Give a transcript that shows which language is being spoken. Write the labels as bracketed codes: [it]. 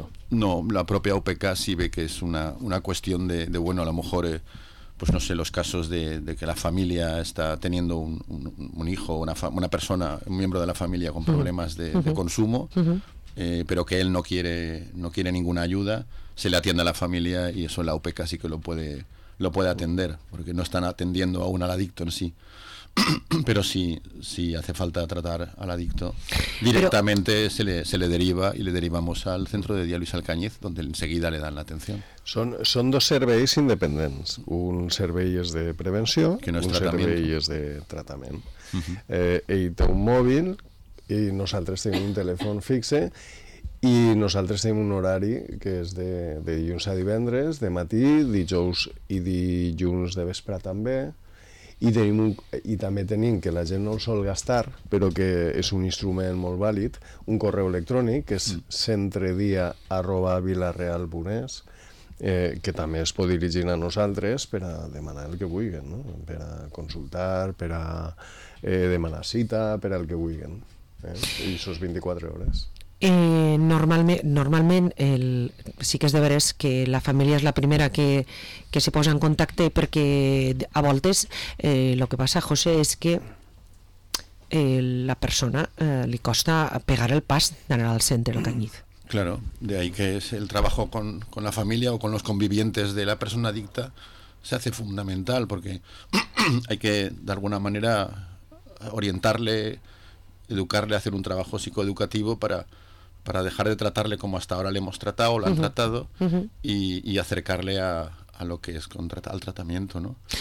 [es] No, la propia UPK sí ve que es una cuestión de bueno, a lo mejor, pues no sé, los casos de que la familia está teniendo un hijo, una persona, un miembro de la familia con problemas de consumo, pero que él no quiere ninguna ayuda, se le atiende a la familia y eso la UPK sí que lo puede atender, porque no están atendiendo aún al adicto en sí. Pero si hace falta tratar al adicto directamente, pero, se le deriva y le derivamos al centro de día Luis Alcañiz, donde enseguida le dan la atención. [ca] Son dos serveis independents. Un servei és de prevenció, que no és un servei és de tractament. Ell té un mòbil i nosaltres tenim un telèfon fixe i nosaltres tenim un horari que és de dilluns a divendres, de matí, dijous i dilluns de vespre també. I també tenim, que la gent no el sol gastar, però que és un instrument molt vàlid, un correu electrònic, que és centredia@vilareal.es, que també es pot dirigir a nosaltres per a demanar el que vulguin, no? Per a consultar, per a demanar cita, per al que vulguin. I això és 24 hores. Normalment el sí que és de veres que la família és la primera que se posa en contacte, perquè a voltes lo que passa, José, és que la persona li costa pegar el pas d'anar al centre del Canyiz. [es] Claro, de ahí que es el trabajo con la familia o con los convivientes de la persona adicta se hace fundamental, porque hay que de alguna manera orientarle, educarle, hacer un trabajo psicoeducativo para dejar de tratarle como hasta ahora le hemos tratado o lo han tratado y acercarle a lo que es al tratamiento, ¿no?